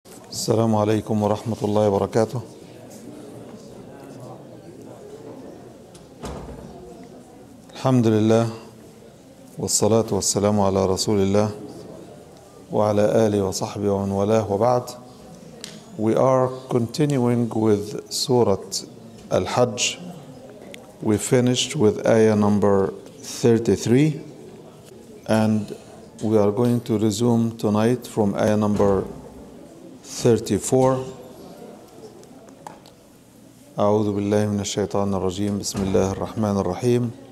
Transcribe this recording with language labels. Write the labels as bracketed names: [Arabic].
[Arabic] السلام عليكم ورحمة الله وبركاته. الحمد لله والصلاة والسلام على رسول الله وعلى آله وصحبه ومن والاه، وبعد. [English] We are continuing with سورة الحج. We finished with ayah number 33 and we are going to resume tonight from ayah number 34. [Arabic] أعوذ بالله من الشيطان الرجيم. بسم الله الرحمن الرحيم.